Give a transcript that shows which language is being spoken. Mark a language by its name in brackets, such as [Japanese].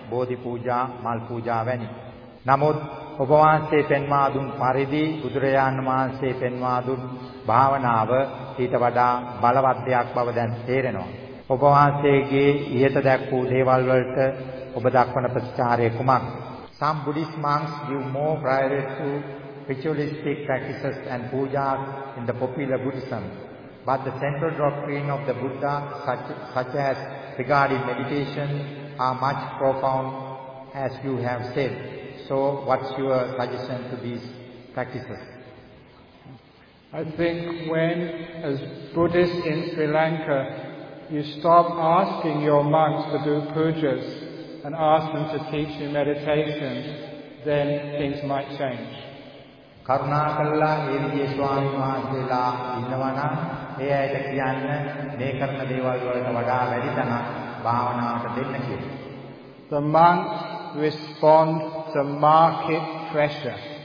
[Sinhala] බෝධි පූජා, මල් පූජා වැනි. නමුත් ඔබ වහන්සේ පෙන්වා දුන් පරිදි බුදුරජාණන් වහන්සේ පෙන්වා දුන් භාවනාව ඊට වඩා බලවත් දෙයක් බව දැන් තේරෙනවා. ඔබ වහන්සේගේ ඉහත දැක් වූ දේවල් වලට ඔබ දක්වන ප්‍රතිචාරය කුමක්? [English] Some Buddhist monks give more priority to ritualistic practices and pujas in the popular Buddhism. But the central doctrine of the Buddha, such as regarding meditation, are much profound, as you have said. So, what's your suggestion to these practices? I think when, as Buddhists in Sri Lanka, you stop asking your monks to do pujas and ask them to teach you meditation, then things might change. [Sinhala] කරුණාකරලා ඒ විදිහේ ස්වාමීන් වහන්සේලා ඉන්නවනම් ඒ ඇයිද කියන්න මේ කරන දේවල් වලට වඩා වැඩි තනක් භාවනාවට දෙන්න කියලා. [English] The monks respond to market pressure.